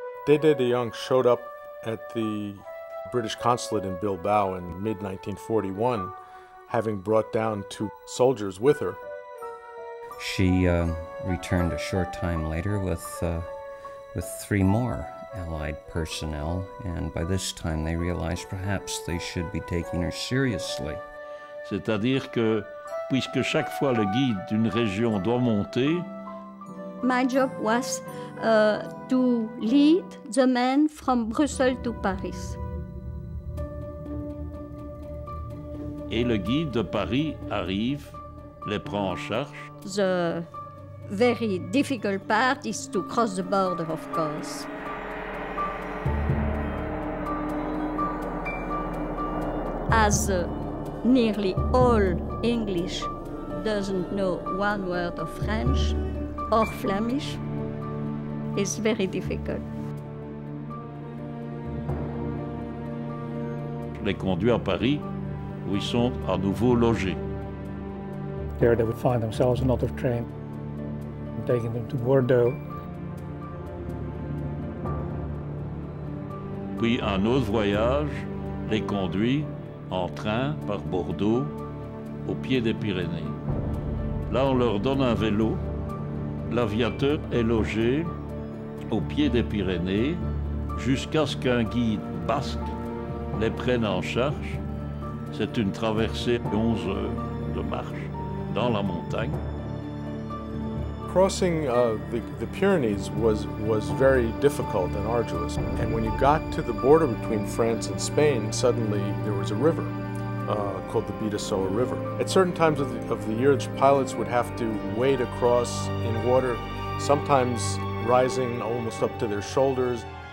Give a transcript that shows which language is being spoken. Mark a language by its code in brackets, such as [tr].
[en] Dede de Jong showed up at the British consulate in Bilbao in mid-1941, having brought down two soldiers with her. She returned a short time later with three more Allied personnel, and by this time they realized perhaps they should be taking her seriously. [fr] C'est-à-dire que, puisque chaque fois le guide d'une région doit monter, [en] my job was to lead the men from Brussels to Paris. [fr] Et le guide de Paris arrive, les prend en charge. [en] The very difficult part is to cross the border, of course. As nearly all English doesn't know one word of French or Flemish, it's very difficult. [fr] Les conduits à Paris, où ils sont à nouveau logés. [en] There they would find themselves another train, taking them to Bordeaux. [fr] Puis un autre voyage, les conduits en train par Bordeaux, au pied des Pyrénées. Là, on leur donne un vélo. L'aviateur est logé au pied des Pyrénées jusqu'à ce qu'un guide basque les prenne en charge. C'est une traversée de 11 heures de marche dans la montagne. [en] Crossing the Pyrenees was very difficult and arduous. And when you got to the border between France and Spain, suddenly there was a river called the Bidasoa River. At certain times of the year, pilots would have to wade across in water, sometimes rising almost up to their shoulders.